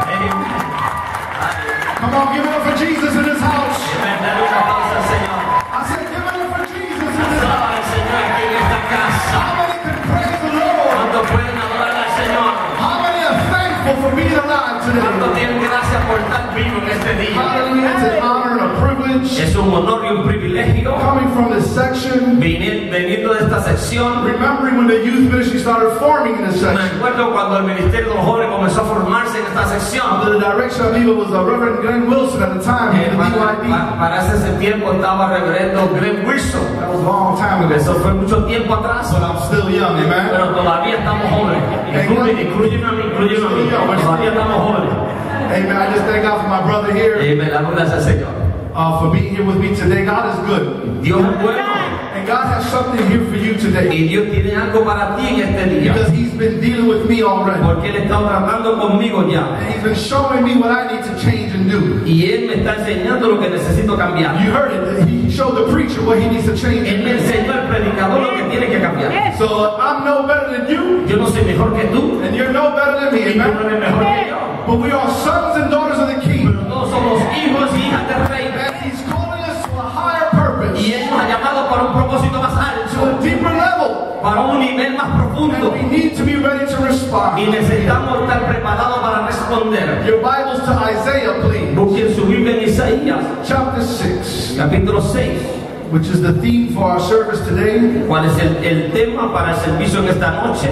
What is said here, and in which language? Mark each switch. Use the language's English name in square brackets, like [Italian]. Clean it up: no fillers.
[English] Come on, give it up for Jesus in his house. [Spanish] Amen. Dale un aplauso al Señor. [English] I said, give it up for Jesus in his house. [Spanish] Señor aquí en esta casa. [English] How many can praise the Lord? [Spanish] ¿Cuánto pueden adorar al Señor? [English] How many are thankful for being alive today? [Spanish] ¿Cuánto tienen gracias por estar vivo en este día? [English] Hallelujah. It's an honor and a privilege. es [Spanish] un honor y un privilegio [English] coming from this section, [Spanish] veniendo de esta sección. [English] Remembering when the youth ministry started forming in this section. [Spanish] Me acuerdo cuando el ministerio de los jóvenes comenzó a formarse en esta sección. [English] Under the direction of the leader was the Reverend Glenn Wilson at the time. [Spanish] Para ese tiempo estaba Reverendo Glenn Wilson. [English] That was a long time ago. [Spanish] Eso fue mucho tiempo atrás. [English] But I'm still young, amen. [Spanish] Pero todavía estamos jóvenes. Incluyeme a mí. Todavía estamos jóvenes. [English] Amen. I just thank God for my brother here. [Spanish] Amen. Gracias al Señor. [English] For being here with me today. God is good. [Spanish] Dios es bueno. [English] And God has something here for you today. [Spanish] Y Dios tiene algo para ti en este día. [English] Because He's been dealing with me already. [Spanish] Porque Él está tratando conmigo ya. [English] And He's been showing me what I need to change and do. [Spanish] Y Él me está enseñando lo que necesito cambiar. [English] You heard it. He showed the preacher what he needs to change. [Spanish] Él me enseñó al predicador lo que tiene que cambiar. [English] So I'm no better than you. [Spanish] Yo no soy mejor que tú. [English] And you're no better than me. [Spanish] Y amen. Tú no eres mejor que yo. [English] But we are sons and daughters of the King. [Spanish] Pero todos somos hijos y hijas del Rey. [English] And He's calling us to a higher purpose. [Spanish] Y Él nos ha llamado para un propósito más alto. [English] To a deeper level. [Spanish] Para un nivel más profundo. [English] And we need to be ready to respond. [Spanish] Y necesitamos estar preparados para responder. [English] Your Bibles to Isaiah, please. [Spanish] Busquen su Biblia en Isaías. [English] Chapter 6. [Spanish] Capítulo 6. [English] Which is the theme for our service today? [Spanish] ¿Cuál es el tema para el servicio en esta noche?